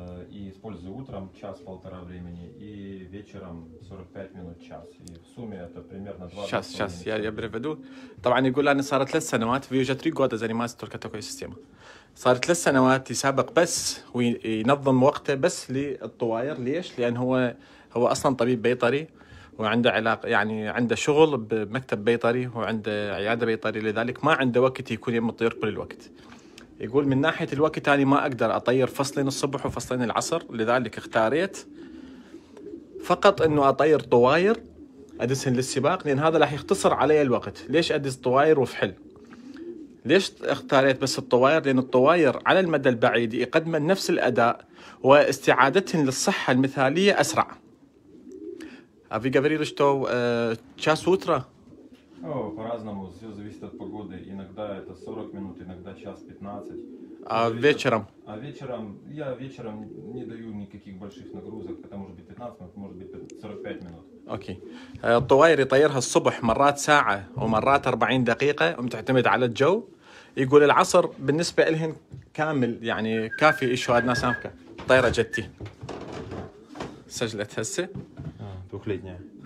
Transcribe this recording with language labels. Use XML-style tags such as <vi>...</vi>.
<ru>И использую утром час-полтора времени, и вечером 45 минут, час. И в сумме это примерно 20 часов. Сейчас, сейчас, я приведу.</ru> <ar>طبعا يقول أنا صار 3 سنوات في وجه</ar> <ru>3 года занимаюсь только такой системой.</ru> <ar>صار 3 سنوات يسابق بس وينظم وقته بس للطواير. ليش؟ لأن هو أصلا طبيب بيطري، وعنده علاقة يعني عنده شغل بمكتب بيطري وعنده عيادة بيطري، لذلك ما عنده وقت يكون يم الطيور كل الوقت. يقول من ناحية الوقت أنا ما أقدر أطير فصلين الصبح وفصلين العصر، لذلك اختاريت فقط أنه أطير طواير أدسهن للسباق، لأن هذا راح يختصر علي الوقت. ليش أدس طواير وفحل؟ ليش اختاريت بس الطواير؟ لأن الطواير على المدى البعيد يقدمن نفس الأداء، واستعادتهن للصحة المثالية أسرع.</ar> <ru>أفي قابريل اشتو تشاس وترا؟ По-разному, все зависит от погоды. Иногда это 40 минут, иногда час 15. А вечером? А вечером, я вечером не даю никаких больших нагрузок. Это может быть 15 минут, может быть 45 минут. Окей.</ru> <ar>الطواير يطيرها الصبح مرات ساعة ومرات 40 دقيقة، ومتعتمد على الجو. يقول العصر بالنسبة لهن كامل، يعني كافي.</ar> <ru>إيشو أدنى سامكة؟ طيرة جتي.</ru> <ar>سجلت هسه.</ar> <ru>Двухлетняя.</ru>